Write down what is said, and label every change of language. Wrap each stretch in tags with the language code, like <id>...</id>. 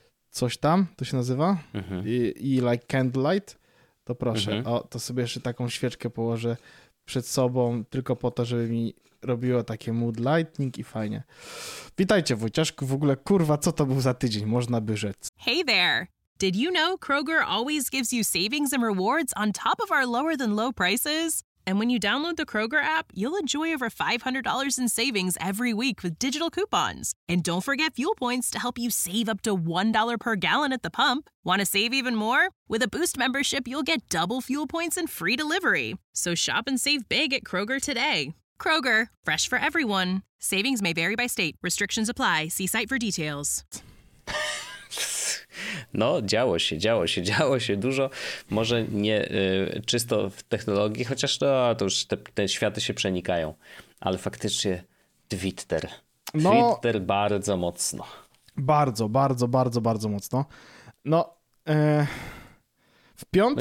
<pl>Coś tam, to się nazywa?</pl> <en>I like candlelight?</en> <pl>To proszę, o, to sobie jeszcze taką świeczkę położę przed sobą, tylko po to, żeby mi robiło takie</pl> <en>mood lightning</en> <pl>i fajnie. Witajcie, Wojciaszku, w ogóle, kurwa, co to był za tydzień, można by rzec.</pl> <en>Hey there! Did you know Kroger always gives you savings and rewards on top of our lower than low prices? And when you download the Kroger app, you'll enjoy over $500 in savings every week with digital coupons. And don't forget fuel points to help you save up to $1 per gallon at the pump. Want to save even more? With a Boost membership, you'll get double fuel points and free delivery. So shop and save big at Kroger today. Kroger, fresh for everyone. Savings may vary by state. Restrictions apply. See site for details.</en> <pl>No, działo się dużo, może nie czysto w technologii, chociaż no, to już te światy się przenikają, ale faktycznie Twitter, no, Twitter bardzo mocno. Bardzo mocno. No, w piątek...</pl>